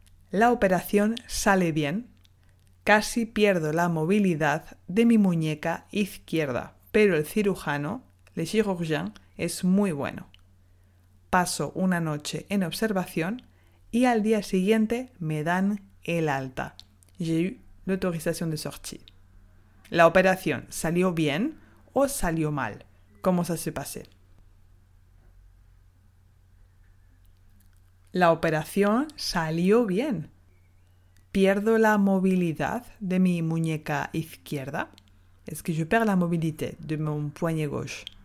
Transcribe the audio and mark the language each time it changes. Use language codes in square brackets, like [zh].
[es] La operación sale bien. Casi pierdo la movilidad de mi muñeca izquierda, pero el cirujano, [fr] le chirurgien, [es] es muy bueno. Paso una noche en observación y al día siguiente me dan el alta. [fr] J'ai eu l'autorisation de sortie. [es] ¿La operación salió bien o salió mal? ¿Cómo se hace pasé? La operación salió bien. ¿Pierdo la movilidad de mi muñeca izquierda? Es que [fr] je perds la mobilité de mon poignet gauche.